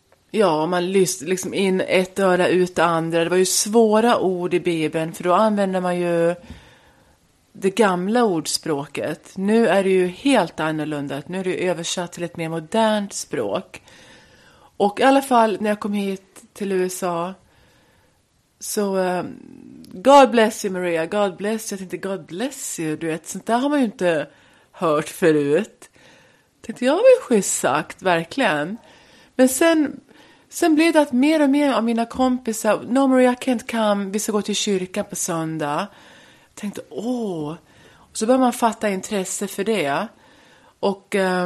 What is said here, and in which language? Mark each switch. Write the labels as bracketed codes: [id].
[sv] Ja, man lyssnade liksom in ett öra ut det andra. Det var ju svåra ord i Bibeln, för då använde man ju det gamla ordspråket. Nu är det ju helt annorlunda. Nu är det ju översatt till ett mer modernt språk. Och i alla fall när jag kom hit till USA. Så, [en] God bless you Maria, God bless you. [sv] Jag tänkte, [en] God bless you, [sv] du vet, sånt där har man ju inte hört förut. Tänkte, jag var ju schysst sagt, verkligen. Men sen blev det att mer och mer av mina kompisar, [en] no Maria, I can't come, [sv] vi ska gå till kyrkan på söndag. Tänkte, åh. Och så började man fatta intresse för det. Och